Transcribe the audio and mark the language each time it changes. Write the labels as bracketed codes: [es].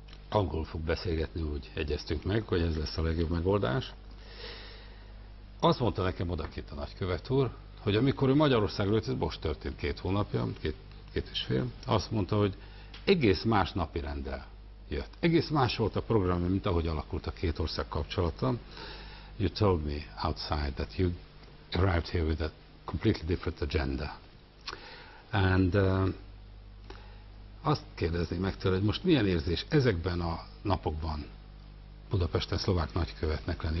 [hu] Angol fog beszélgetni, úgy egyeztünk meg, hogy ez lesz a legjobb megoldás. Azt mondta nekem odakint a nagykövet úr, hogy amikor ő Magyarországról jött, ez most történt 2 hónapja, 2,5, azt mondta, hogy egész más napirenddel jött. Egész más volt a programja, mint ahogy alakult a két ország kapcsolata. [en] You told me outside that you arrived here with a completely different agenda. [hu] And azt kérdezni meg tőle, hogy most milyen érzés ezekben a napokban Budapesten szlovák nagykövetnek lenni?